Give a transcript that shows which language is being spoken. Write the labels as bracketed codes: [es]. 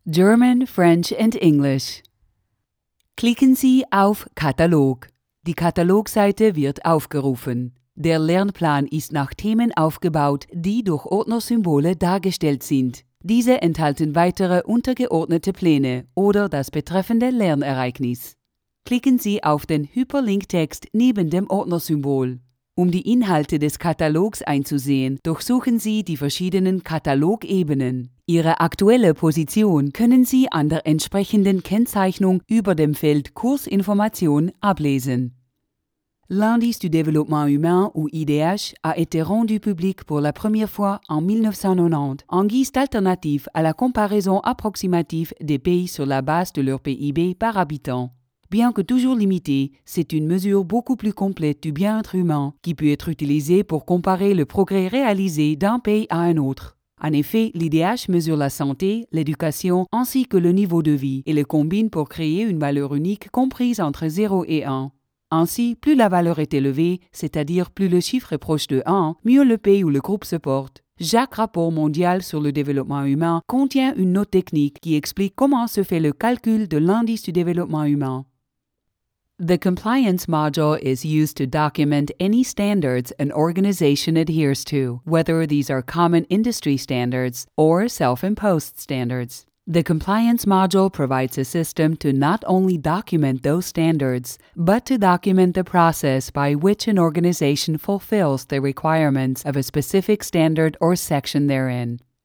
[en] German, French and English. [de] Klicken Sie auf Katalog. Die Katalogseite wird aufgerufen. Der Lernplan ist nach Themen aufgebaut, die durch Ordnersymbole dargestellt sind. Diese enthalten weitere untergeordnete Pläne oder das betreffende Lernereignis. Klicken Sie auf den Hyperlink-Text neben dem Ordnersymbol. Um die Inhalte des Katalogs einzusehen, durchsuchen Sie die verschiedenen Katalogebenen. Ihre aktuelle Position können Sie an der entsprechenden Kennzeichnung über dem Feld Kursinformation ablesen. [fr] L'Indice du développement humain, ou IDH, a été rendu public pour la première fois en 1990 en guise d'alternative à la comparaison approximative des pays sur la base de leur PIB par habitant. Bien que toujours limité, c'est une mesure beaucoup plus complète du bien-être humain qui peut être utilisée pour comparer le progrès réalisé d'un pays à un autre. En effet, l'IDH mesure la santé, l'éducation ainsi que le niveau de vie et le combine pour créer une valeur unique comprise entre 0 et 1. Ainsi, plus la valeur est élevée, c'est-à-dire plus le chiffre est proche de 1, mieux le pays ou le groupe se porte. Chaque rapport mondial sur le développement humain contient une note technique qui explique comment se fait le calcul de l'indice du développement humain. [en] The compliance module is used to document any standards an organization adheres to, whether these are common industry standards or self-imposed standards. The compliance module provides a system to not only document those standards, but to document the process by which an organization fulfills the requirements of a specific standard or section therein.